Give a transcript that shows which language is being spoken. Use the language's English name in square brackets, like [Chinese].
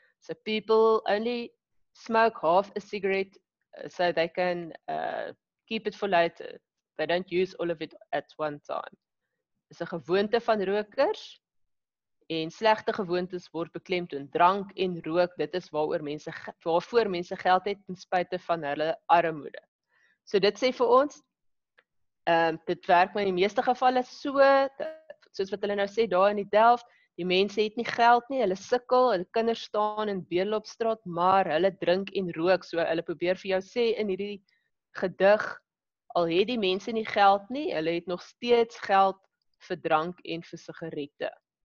[English] So people only smoke half a cigarette so they can keep it for later. They don't use all of it at one time. [Afrikaans] Dis 'n gewoonte van rokers en slegte gewoontes word beklemtoon. Drank en rook, dit is waarvoor mense geld het ten spyte van hulle armoede. So dit sê vir ons, dit werk maar in die meeste gevalle so, soos wat hulle nou sê, daar in die Delft, die mense het nie geld nie, hulle sukkel, hulle kinders staan in bedeloopstraat, maar hulle drink en rook, so hulle probeer vir jou sê in hierdie gedig, al het die mense nie geld nie, hulle het nog steeds geld vir drank en vir sigarette.